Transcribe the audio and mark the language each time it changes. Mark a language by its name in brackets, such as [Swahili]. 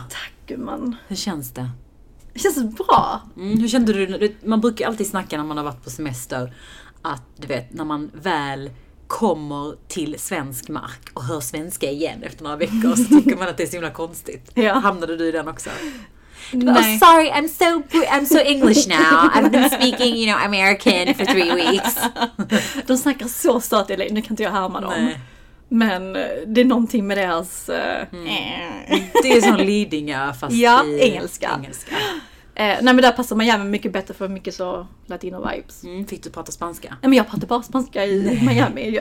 [Swedish] Tack gumman. Hur känns det? Det känns bra. Mm, hur kände du? Man brukar alltid snacka när man har varit på semester. Att du vet, när man väl kommer till svensk mark och hör svenska igen efter några veckor så tycker man att det är så himla konstigt. Ja. Hamnade du i den också? [English] No, sorry, I'm so English now. I've been speaking, you know, American for 3 weeks. [Swedish] De snackar så stört, eller nu kan inte jag härma dem. Nej. Men det är någonting med deras Det är sån Lidingö fast ja, i engelska. Nej, men där passar man jävligt mycket bättre för mycket så latino vibes. Mm, fick du prata spanska? Nej, men jag pratade bara spanska i Miami.